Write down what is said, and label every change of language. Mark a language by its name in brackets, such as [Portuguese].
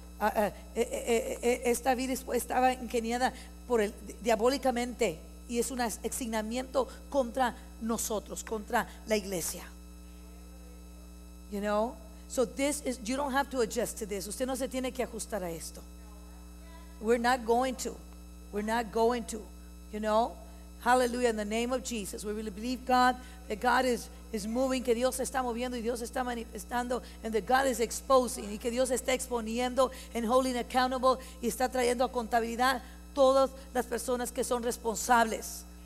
[Spanish] Esta vida estaba ingeniada por el diabólicamente, y es un asignamiento contra nosotros, contra la iglesia. [English] You know, so this is, you don't have to adjust to this. [Spanish] Usted no se tiene que ajustar a esto. [English] We're not going to, you know. Hallelujah, in the name of Jesus. We really believe God, that God is moving, [Spanish] que Dios está moviendo y Dios está manifestando, [English] and that God is exposing, [Spanish] y que Dios está exponiendo [English] and holding accountable, [Spanish] y está trayendo a contabilidad todas las personas que son responsables.